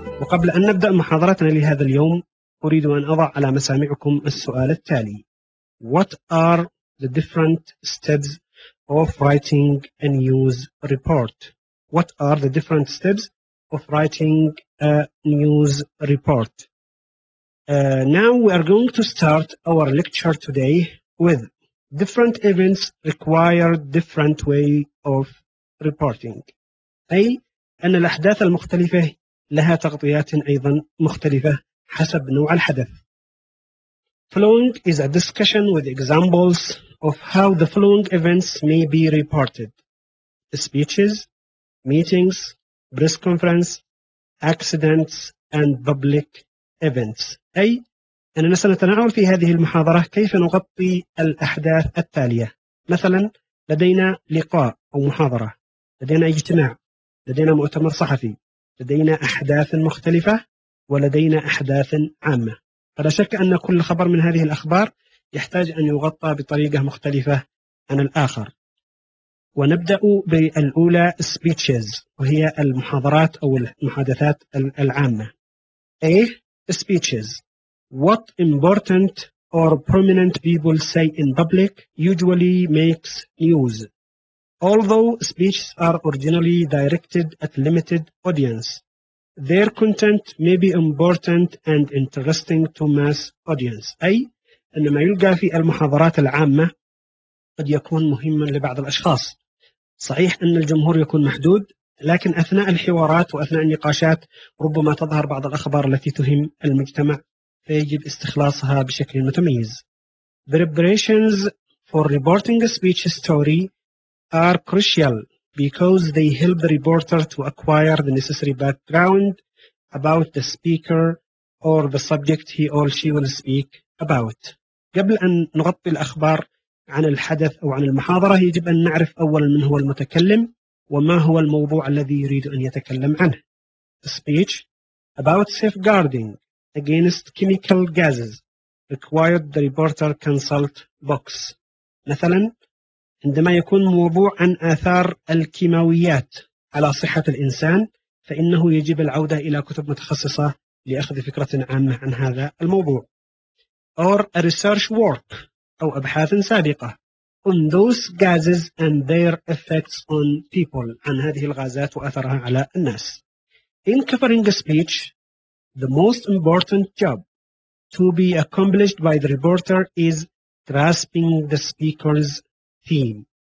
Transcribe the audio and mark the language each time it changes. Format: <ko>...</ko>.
<ar>قبل أن نبدأ محاضرتنا لهذا اليوم، أريد أن أضع على مسامعكم السؤال التالي:</ar> <en>What are the different steps of writing a news report? What are the different steps of writing a news report? Now we are going to start our lecture today with different events require different way of reporting.</en> <ar>أي أن الأحداث المختلفة لها تغطيات أيضا مختلفة حسب نوع الحدث.</ar> <en>Following is a discussion with examples of how the following events may be reported: speeches, meetings, press conference, accidents and public events.</en> <ar>أي أننا سنتناول في هذه المحاضرة كيف نغطي الأحداث التالية. مثلا لدينا لقاء أو محاضرة، لدينا اجتماع، لدينا مؤتمر صحفي، لدينا أحداث مختلفة، ولدينا أحداث عامة. فلا شك أن كل خبر من هذه الأخبار يحتاج أن يغطى بطريقة مختلفة عن الآخر. ونبدأ بالأولى speeches، وهي المحاضرات أو المحادثات العامة.</ar> <en>A speeches: What important or prominent people say in public usually makes news. Although speeches are originally directed at limited audience, their content may be important and interesting to mass audience.</en> <ar>أي أن ما يلقى في المحاضرات العامة قد يكون مهما لبعض الأشخاص. صحيح أن الجمهور يكون محدود، لكن أثناء الحوارات وأثناء النقاشات ربما تظهر بعض الأخبار التي تهم المجتمع، فيجب استخلاصها بشكل متميز.</ar> <en>Preparations for reporting a speech story are crucial because they help the reporter to acquire the necessary background about the speaker or the subject he or she will speak about.</en> <ar>قبل أن نغطي الأخبار عن الحدث أو عن المحاضرة، يجب أن نعرف أولا من هو المتكلم وما هو الموضوع الذي يريد أن يتكلم عنه.</ar> <en>A speech about safeguarding against chemical gases required the reporter consult books.</en> <ar>مثلا عندما يكون موضوع عن آثار الكيماويات على صحة الإنسان، فإنه يجب العودة إلى كتب متخصصة لأخذ فكرة عامة عن هذا الموضوع.</ar> <en>Or a research work،</en> <ar>أو أبحاث سابقة،</ar> <en>on those gases and their effects on people،</en> <ar>عن هذه الغازات وأثرها على الناس.</ar> <en>In covering a speech, the most important job to be accomplished by the reporter is grasping the speaker's theme.</en>